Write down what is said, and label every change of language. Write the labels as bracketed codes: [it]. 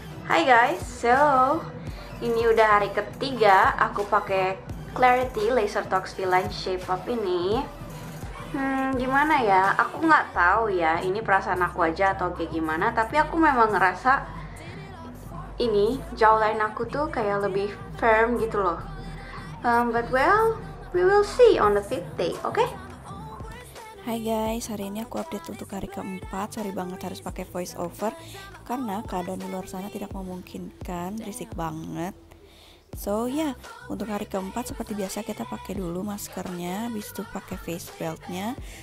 [id] Hi guys, so ini udah hari ketiga aku pakai Clarity Laser Tox Feline Shape Up ini. Gimana ya? Aku nggak tahu ya, ini perasaan aku aja atau kayak gimana, tapi aku memang ngerasa ini jawline aku tuh kayak lebih firm gitu loh. [en] But well, we will see on the fifth day, okay? [id] Hai guys, hari ini aku update untuk hari keempat. Sorry banget harus pakai voice over karena keadaan di luar sana tidak memungkinkan, risik banget. So yeah, untuk hari keempat seperti biasa kita pakai dulu maskernya, habis itu pakai face beltnya.